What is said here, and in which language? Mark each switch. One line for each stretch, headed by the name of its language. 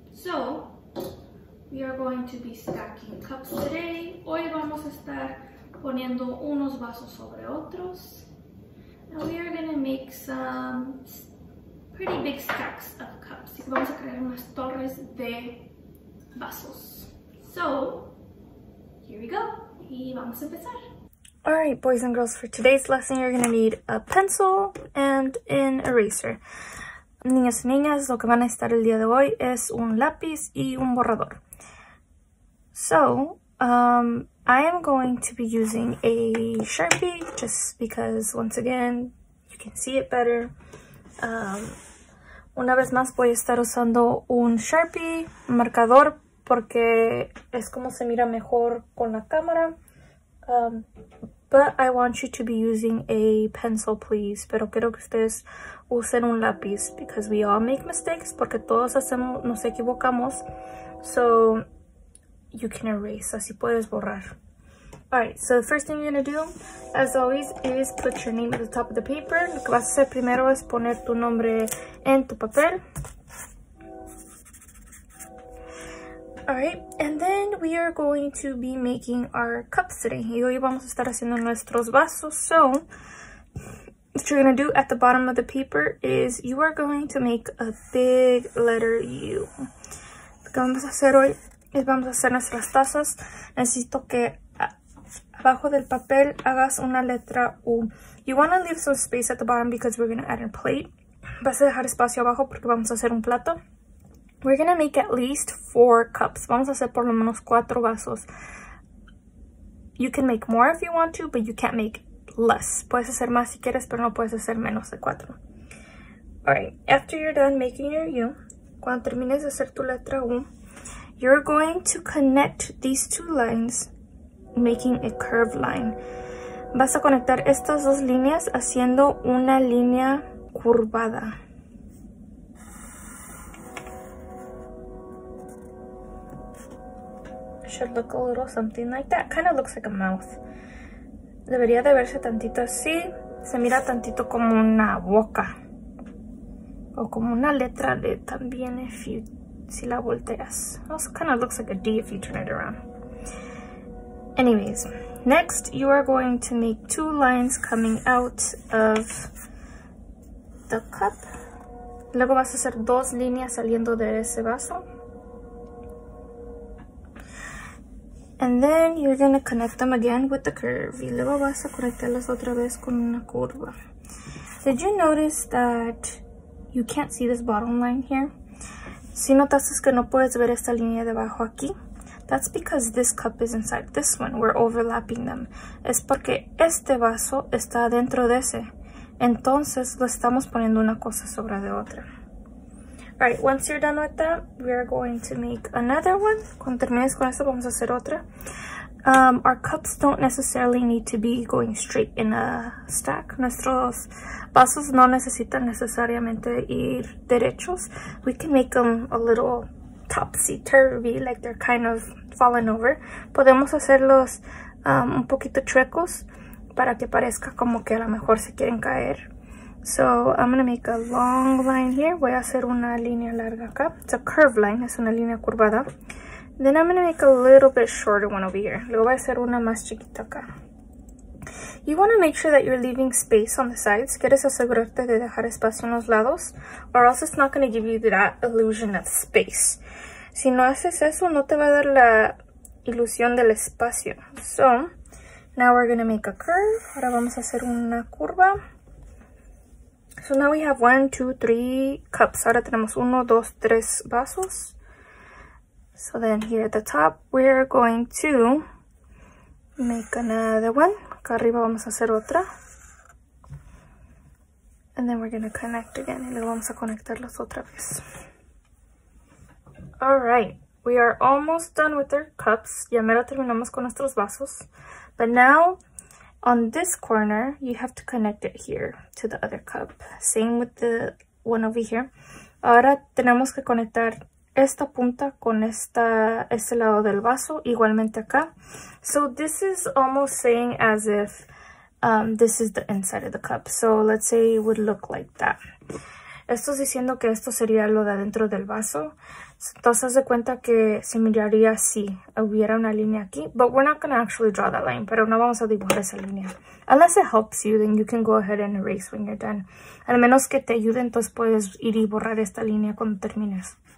English: So, we are going to be stacking cups today.
Spanish: Hoy vamos a estar poniendo unos vasos sobre otros.
English: And we are going to make some pretty big stacks of cups.
Spanish: Y vamos a crear unas torres de vasos.
English: So, here we go.
Spanish: Y vamos a empezar.
English: All right, boys and girls, for today's lesson, you're going to need a pencil and an eraser.
Spanish: Niños y niñas, lo que van a necesitar el día de hoy es un lápiz y un borrador.
English: So, I am going to be using a Sharpie, just because, once again, you can see it better.
Spanish: Una vez más voy a estar usando un Sharpie marcador porque es como se mira mejor con la cámara.
English: But I want you to be using a pencil, please.
Spanish: Pero quiero que ustedes usen un lápiz,
English: because we all make mistakes,
Spanish: porque todos hacemos, nos equivocamos.
English: So, you can erase,
Spanish: así puedes borrar.
English: Alright, so the first thing you're gonna do, as always, is put your name at the top of the paper.
Spanish: Lo que vas a hacer primero es poner tu nombre en tu papel.
English: Alright, and then we are going to be making our cups today.
Spanish: Y hoy vamos a estar haciendo nuestros vasos.
English: So, what you're gonna do at the bottom of the paper is you are going to make a big letter U.
Spanish: Lo que vamos a hacer hoy es vamos a hacer nuestras tazas. Necesito que abajo del papel hagas una letra U.
English: You want to leave some space at the bottom because we're going to add a plate.
Spanish: Vas a dejar espacio abajo porque vamos a hacer un plato.
English: We're going to make at least 4 cups.
Spanish: Vamos a hacer por lo menos 4 vasos.
English: You can make more if you want to, but you can't make less.
Spanish: Puedes hacer más si quieres, pero no puedes hacer menos de 4.
English: Alright, after you're done making your U,
Spanish: cuando termines de hacer tu letra U,
English: you're going to connect these 2 lines, making a curved line.
Spanish: Vas a conectar estas dos líneas haciendo una línea curvada.
English: Should look a little something like that. Kind of looks like a mouth.
Spanish: Debería de verse tantito así. Se mira tantito como una boca. O como una letra D también
English: if you,
Spanish: si la volteas.
English: Also kind of looks like a D if you turn it around. Anyways, next you are going to make 2 lines coming out of the cup.
Spanish: Luego vas a hacer 2 líneas saliendo de ese vaso.
English: And then you're going to connect them again with the curve.
Spanish: Y luego vas a conectarlas otra vez con una curva.
English: Did you notice that you can't see this bottom line here?
Spanish: Si notaste que no puedes ver esta línea debajo aquí.
English: That's because this cup is inside this one. We're overlapping them.
Spanish: Es porque este vaso está dentro de ese. Entonces, lo estamos poniendo una cosa sobre de otra.
English: Alright, once you're done with that, we are going to make another one.
Spanish: Cuando termines con eso, vamos a hacer otra.
English: Our cups don't necessarily need to be going straight in a stack.
Spanish: Nuestros vasos no necesitan necesariamente ir derechos.
English: We can make them a little topsy-turvy, like they're kind of falling over.
Spanish: Podemos hacerlos un poquito chuecos. para que parezca como que a lo mejor se quieren caer.
English: So I'm gonna make a long line here.
Spanish: Voy a hacer una línea larga acá.
English: It's a curved line,
Spanish: es una línea curvada.
English: Then I'm gonna make a little bit shorter one over here.
Spanish: Luego voy a hacer una más chiquita acá.
English: You want to make sure that you're leaving space on the sides.
Spanish: Quieres asegurarte de dejar espacio en los lados,
English: or else it's not going to give you that illusion of space.
Spanish: Si no haces eso, no te va a dar la ilusión del espacio.
English: So, now we're going to make a curve.
Spanish: Ahora vamos a hacer una curva.
English: So now we have 1, 2, 3 cups.
Spanish: Ahora tenemos 1, 2, 3 vasos.
English: So then here at the top, we're going to make another one.
Spanish: Acá arriba vamos a hacer otra.
English: And then we're going to connect again.
Spanish: Y luego vamos a conectarlos otra vez.
English: All right. We are almost done with our cups.
Spanish: Ya mero terminamos con nuestros vasos.
English: But now, on this corner, you have to connect it here to the other cup. Same with the one over here.
Spanish: Ahora tenemos que conectar esta punta con este lado del vaso, igualmente acá.
English: So this is almost saying as if this is the inside of the cup. So let's say it would look like that.
Spanish: Esto es diciendo que esto sería lo de adentro del vaso. Entonces, haz de cuenta que se miraría si hubiera una línea aquí.
English: But we're not going to actually draw that line.
Spanish: Pero no vamos a dibujar esa línea.
English: Unless it helps you, then you can go ahead and erase when you're done.
Spanish: Al menos que te ayude, entonces puedes ir y borrar esta línea cuando termines.